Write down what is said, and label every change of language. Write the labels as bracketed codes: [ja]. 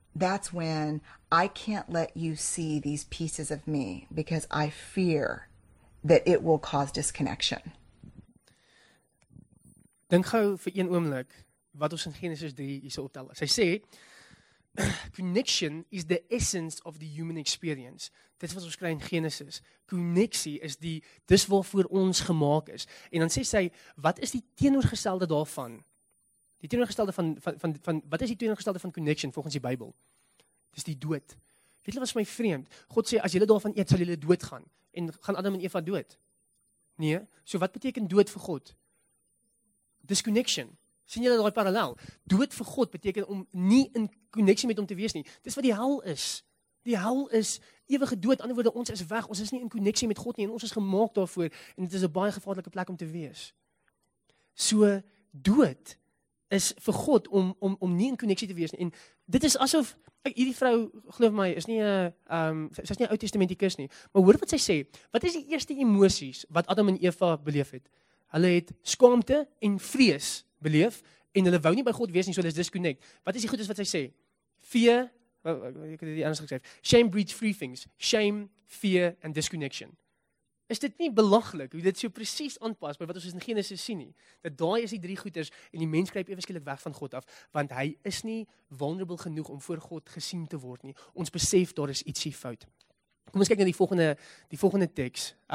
[en] That's when I can't let you see these pieces of me because I fear that it will cause disconnection. [af] Dink gou vir een oomblik wat ons in Genesis 3 hierso optel. Sy sê [en] connection is the essence of the human experience. [af] Dit wat ons kry in Genesis. Konneksie is die dis waarvoor ons gemaak is. En dan sê sy, wat is die teenoorgestelde daarvan? Die teenoorgestelde van wat is die teenoorgestelde van connection volgens die Bybel? Dis die dood. Weet julle wat is my vreemd? God sê as julle daarvan eet, sal julle doodgaan en gaan Adam en Eva dood. Nee, so wat beteken dood vir God? Disconnection. Sien julle daai parallel? Dood vir God beteken om nie in koneksie met hom te wees nie. Dis wat die hel is. Die hel is ewige dood. In ander woorde, ons is weg. Ons is nie in koneksie met God nie en ons is gemaak daarvoor en dit is 'n baie gevaarlike plek om te wees. So dood is vir God om nie in koneksie te wees nie. En dit is asof hierdie vrou, glo my, is nie 'n sy's nie 'n Ou Testamentikus nie. Maar hoor wat sy sê. Wat is die eerste emosies wat Adam en Eva beleef het? Hulle het skaamte en vrees beleef en hulle wou nie by God wees nie, so hulle is disconnect. Wat is die goedes wat sy sê? Fear, ek het dit anders geskryf. [en] Shame breeds three things: shame, fear and disconnection. [af] Is dit nie belaglik hoe dit so presies aanpas by wat ons in Genesis sien nie? Dat daai is die drie goeders en die mens kruip ewe skielik weg van God af want hy is nie vulnerable genoeg om voor God gesien te word nie. Ons besef daar is ietsie fout. Kom ons kyk na die volgende teks.